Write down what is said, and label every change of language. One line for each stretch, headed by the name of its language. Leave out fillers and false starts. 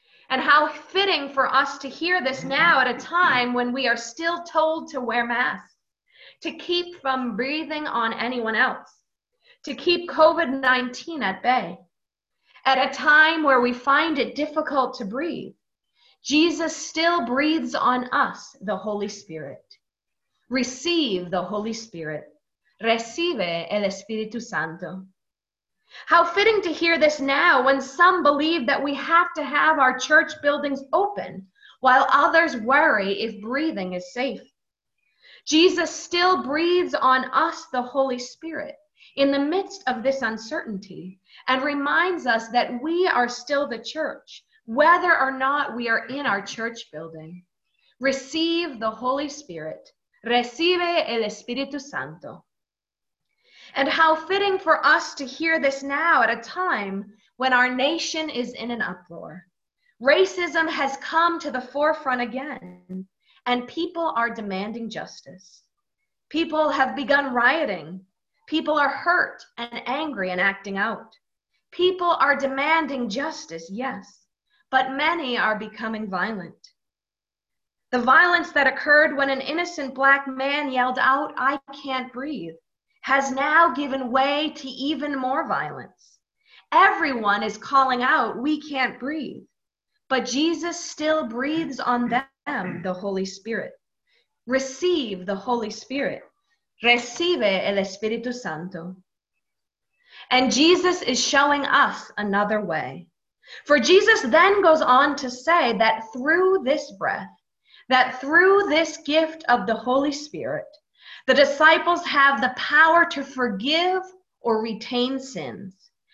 English: And how fitting for us to hear this now at a time when we are still told to wear masks, to keep from breathing on anyone else, to keep COVID-19 at bay. At a time where we find it difficult to breathe, Jesus still breathes on us the Holy Spirit. Receive the Holy Spirit.
Spanish: recibe el Espíritu Santo.
English: How fitting to hear this now when some believe that we have to have our church buildings open while others worry if breathing is safe. Jesus still breathes on us the Holy Spirit in the midst of this uncertainty and reminds us that we are still the church, whether or not we are in our church building. Receive the Holy Spirit.
Spanish: Recibe el Espíritu Santo.
English: And how fitting for us to hear this now at a time when our nation is in an uproar. Racism has come to the forefront again, and people are demanding justice. People have begun rioting. People are hurt and angry and acting out. People are demanding justice, yes, but many are becoming violent. The violence that occurred when an innocent Black man yelled out, "I can't breathe," has now given way to even more violence. Everyone is calling out, "We can't breathe," but Jesus still breathes on them, the Holy Spirit. Receive the Holy Spirit.
Spanish: Recibe el Espíritu Santo.
English: And Jesus is showing us another way. For Jesus then goes on to say that through this breath, that through this gift of the Holy Spirit, the disciples have the power to forgive or retain sins.